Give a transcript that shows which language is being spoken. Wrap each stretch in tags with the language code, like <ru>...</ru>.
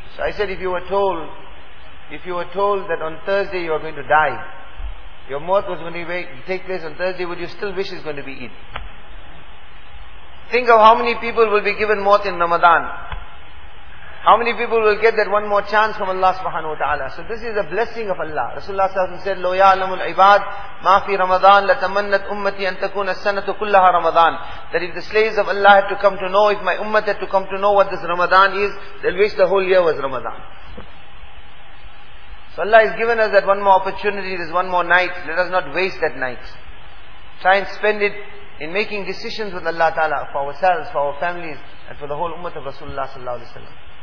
<en>So I said, if you were told that on Thursday you are going to die, your maut was going to take place on Thursday, would you still wish it's going to be Eid? Think of how many people will be given maut in Ramadan. How many people will get that one more chance from Allah subhanahu wa ta'ala? So this is a blessing of Allah. Rasulullah sallallahu alaihi wasallam said,</en> <ar>لَوْ يَعْلَمُ الْعِبَادِ مَا فِي رَمَضَانَ لَتَمَنَّتْ أُمَّتِي أَن تَكُونَ السَّنَةُ كُلَّهَا رَمَضَانَ.</ar> <en>That if the slaves of Allah had to come to know, if my ummah had to come to know what this Ramadan is, they'll wish the whole year was Ramadan. So Allah has given us that one more opportunity, this one more night. Let us not waste that night. Try and spend it in making decisions with Allah ta'ala for ourselves, for our families, and for the whole ummah of Rasulullah sallallahu alaihi wasallam.</en>